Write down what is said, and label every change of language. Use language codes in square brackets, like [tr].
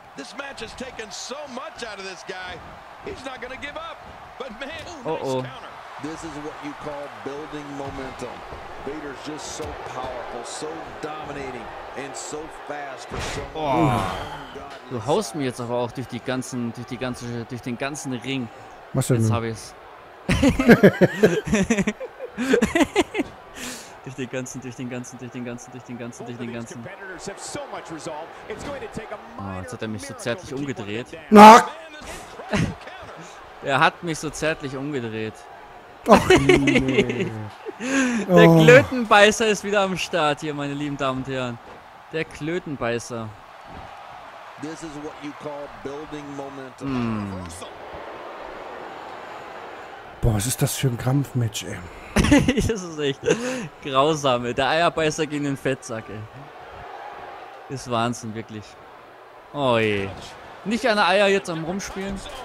[en] This match has taken so much out of this guy. He's not gonna give up. But man, This is what you call building momentum. Vader's just so powerful, so dominating and so fast for so long. [de] Du haust mir jetzt aber auch durch die ganzen durch den ganzen Ring. Was jetzt habe ich's. durch den ganzen. Oh, jetzt hat er mich so zärtlich umgedreht. Na! Er hat mich so zärtlich umgedreht. Ach, nee. Der Klötenbeißer ist wieder am Start hier, meine lieben Damen und Herren. Der Klötenbeißer. [en] This is what you call building momentum. Mm. [de] Boah, was ist das für ein Kampfmatch, ey. Das ist echt grausam, ey. Der Eierbeißer gegen den Fettsack, ey. Ist Wahnsinn, wirklich. Oh je. Nicht an der Eier jetzt am Rumspielen.